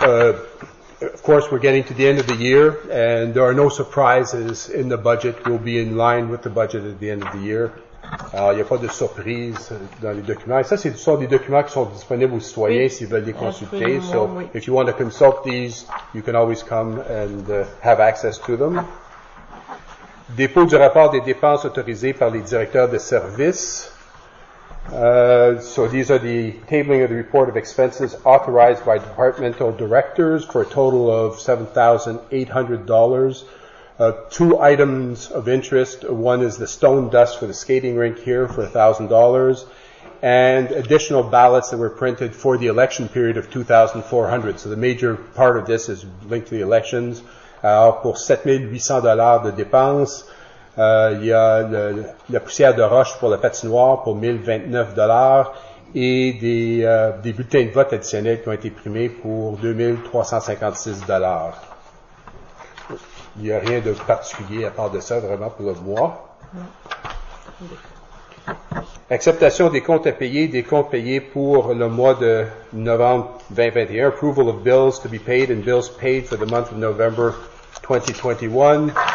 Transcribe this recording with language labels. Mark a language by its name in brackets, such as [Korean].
[English] Of course, we're getting to the end of the year, and there are no surprises in the budget. We'll be in line with the budget at the end of the year. [French] Alors, il n'y a pas de surprise dans les documents. Et ça, ce sont des documents qui sont disponibles aux citoyens oui, s'ils veulent les consulter. So, oui. [English] If you want to consult these, you can always come and have access to them. [French] Dépôt du rapport des dépenses autorisées par les directeurs de services. [English] So, these are the tabling of the report of expenses authorized by departmental directors for a total of $7,800. Two items of interest. One is the stone dust for the skating rink here for $1,000 and additional ballots that were printed for the election period of 2,400. So the major part of this is linked to the elections. [French] Pour $7,800 de dépenses, il y a la poussière de roche pour la patinoire pour $1,029 et des bulletins de vote additionnels qui ont été primés pour $2,356. Il n'y a rien de particulier à part de ça, vraiment, pour le mois. Acceptation des comptes à payer, des comptes payés pour le mois de novembre 2021. [English] Approval of bills to be paid and bills paid for the month of November 2021.